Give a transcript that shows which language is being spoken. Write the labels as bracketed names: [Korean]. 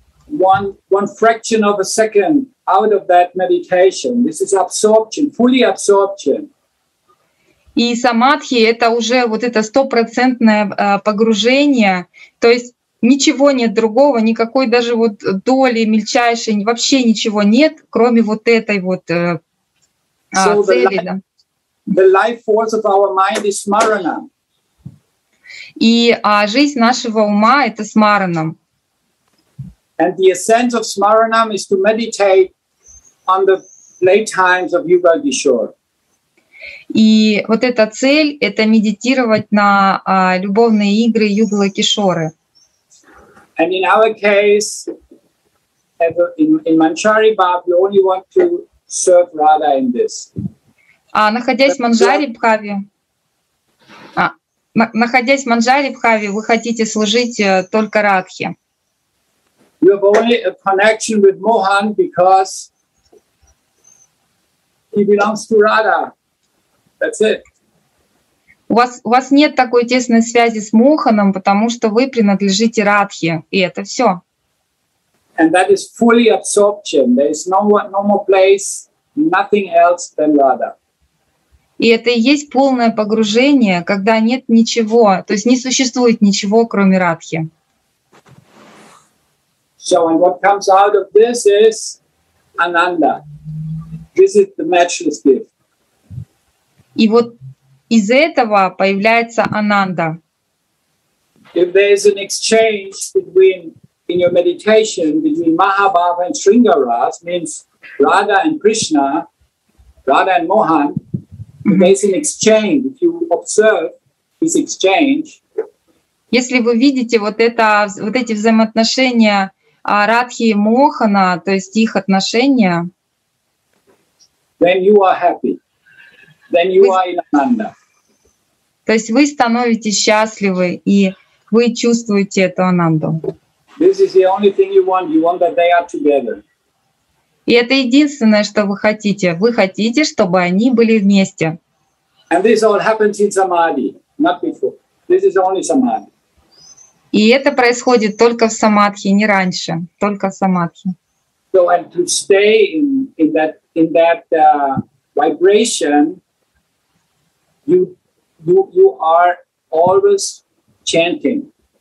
[English] One fraction of a second out of that meditation. This is absorption, fully absorption. [Russian] И самадхи — это уже вот это стопроцентное погружение. То есть ничего нет другого, никакой даже вот доли мельчайшей, вообще ничего нет, кроме вот этой вот цели. [English] The life force of our mind is smarana. [Russian] И жизнь нашего ума — это смарана. [English] And the essence of Smaranam is to meditate on the late times of Yuga Kishor. [Russian] И вот эта цель — это медитировать на любовные игры Юга Кишоры. [English] And in our case, in Manjari Bhav, we only want to serve Radha in this. [Russian] Находясь в Манджари Бхаве, вы хотите служить только Радхе. [English] You have only a connection with Mohan because he belongs to Radha. That's it. [Russian] У вас нет такой тесной связи с Моханом, потому что вы принадлежите Радхе, и это всё. [English] And that is fully absorption. There is no more place, nothing else than Radha. [Russian] И это и есть полное погружение, когда нет ничего, то есть не существует ничего, кроме Радхи. [English] So, and what comes out of this is Ananda. This is the matchless gift. [Russian] И вот из этого появляется Ананда. [English] If there is an exchange between in your meditation between Mahabhava and Sringaras, means Radha and Krishna, Radha and Mohan, mm-hmm. There is an exchange. If you observe this exchange, [Russian] если вы видите вот эти взаимоотношения а Радхи и Мохана, то есть их отношения, [English] then you are happy. Then you are in Ananda. [Russian] То есть вы становитесь счастливы, и вы чувствуете эту Ананду. [English] This is the only thing you want. You want that they are together. [Russian] И это единственное, что вы хотите. Вы хотите, чтобы они были вместе. [English] And this all happens in Samadhi, not before. This is only Samadhi. [Russian] И это происходит только в самадхи, не раньше, только в самадхи. [English] So, and to stay in that vibration, you are always chanting.